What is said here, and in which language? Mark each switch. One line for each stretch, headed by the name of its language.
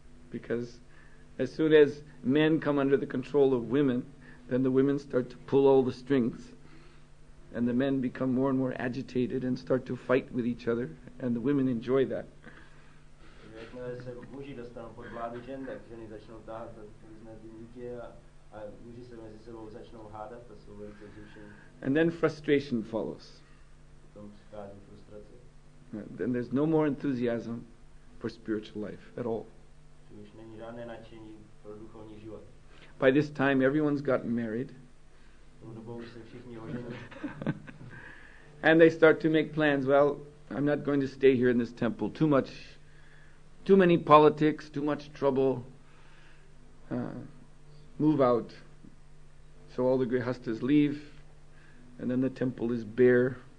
English: Because as soon as men come under the control of women, then the women start to pull all the strings. And the men become more and more agitated and start to fight with each other. And the women enjoy that.
Czech: Jakmile se muži dostanou pod vládu žen, tak ženy začnou táhat různé dynutě a muži se mezi sebou začnou hádat, to jsou velice vzrušení.
English: And then frustration follows.
Czech: Potom přichází frustrace.
English: Then there's no more enthusiasm for spiritual life at all.
Czech: Už není žádné nadšení pro duchovní život.
English: By this time everyone's gotten married.
Czech: Tou dobou už se všichni oženili.
English: And they start to make plans. Well, I'm not going to stay here in this temple. Too many politics, too much trouble, move out. So all the grihastas leave, and then the temple is bare.